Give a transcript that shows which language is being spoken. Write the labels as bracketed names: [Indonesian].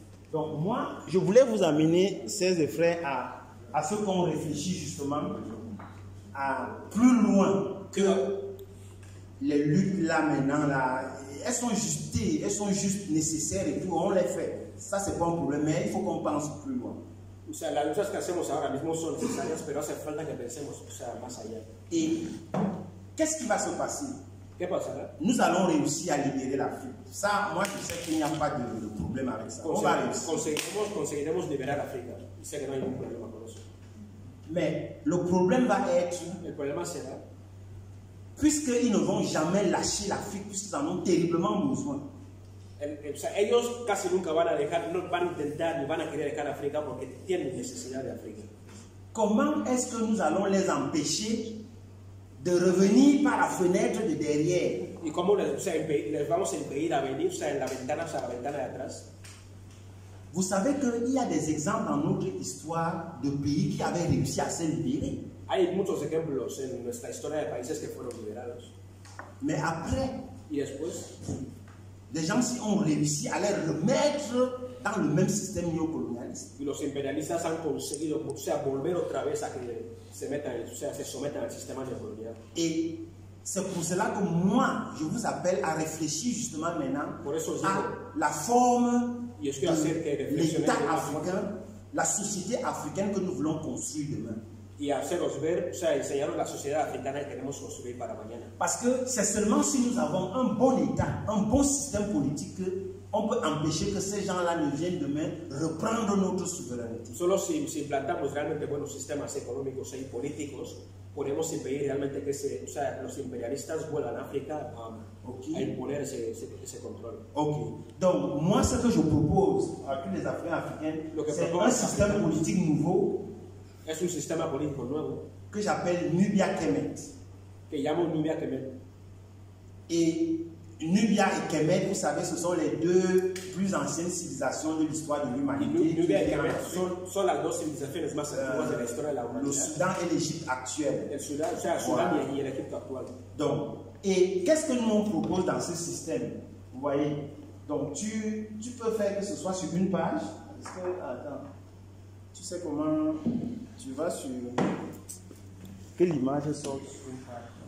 [French] Donc moi, je voulais vous amener, sœurs et frères, à ce qu'on réfléchisse justement à plus loin que les luttes là maintenant, là, elles sont justes, elles sont juste nécessaires et tout, on les fait. Ça, c'est pas un problème, mais il faut qu'on pense plus loin. [Spanish] O sea, las luchas que hacemos ahora mismo son necesarias, pero hace falta que pensemos, o sea, más allá. Y ¿qué es que va a se pasar? ¿Qué pasará? [French] Nous allons réussir à libérer l'Afrique. Ça, moi je sais qu'il n'y a pas de problème avec ça. [Spanish] Conseguiremos liberar África. Sé que no hay ningún problema con eso. [French] Mais le problème va être, [Spanish] el problema será, [French] puisque ils ne vont jamais lâcher l'Afrique, puisqu'ils en ont terriblement besoin. [Spanish] O sea, ellos casi nunca van a dejar, no van a intentar ni van a querer dejar África porque tienen necesidad de África. ¿Cómo es que [French] nous allons les empêcher de revenir par la fenêtre de derrière? [Spanish] ¿Y cómo les vamos a impedir a venir, en la ventana de atrás? [French] Vous savez qu'il y a des exemples en notre histoire de pays qui avaient réussi à se libérer. [Spanish] Hay muchos ejemplos en nuestra historia de países que fueron liberados. [French] Mais après, [Spanish] y después, [French] les gens si ont réussi à les remettre dans le même système néocolonialiste. [Spanish] Y los imperialistas han conseguido, o sea, volver otra vez a que se sometan al sistema neocolonial. [French] Et c'est pour cela que moi, je vous appelle à réfléchir justement maintenant [Spanish] por eso [French] à la forme de l'État africain, la société africaine que nous voulons construire demain. [Spanish] Y haceros ver, o sea, enseñaros la sociedad africana que queremos construir para mañana. [French] Parce que c'est seulement si nous avons un bon État, un bon système politique, que on peut empêcher que ces gens-là ne viennent demain reprendre notre souveraineté. [Spanish] Solo si implantamos realmente buenos sistemas económicos y políticos, podemos impedir realmente que los imperialistas vuelvan a África a imponer ese control. Ok. [French] Donc, moi, ce que je propose à tous les Africains, c'est un système politique nouveau. [Spanish] Es un sistema político nuevo [French] que j'appelle Nubia Kemet. [Spanish] Que llamo Nubia Kemet. [French] Y Nubia y Kemet, vous savez, ce sont les deux plus anciennes civilizaciones de l'histoire de l'humanité. [Spanish] Nubia y Kemet son las dos civilizaciones más antiguas de la historia de la humanidad. [French] Le Soudan et l'Égypte actuel. [Spanish] El Sudán, o sea, Sudán y el Egipto actual. [French] Donc, et qu'est-ce que nous on propose dans ce système? Vous voyez? Donc, tu peux faire que ce soit sur une page. Est-ce que, attends. Tu sais comment tu vas sur que l'image sort sur une page?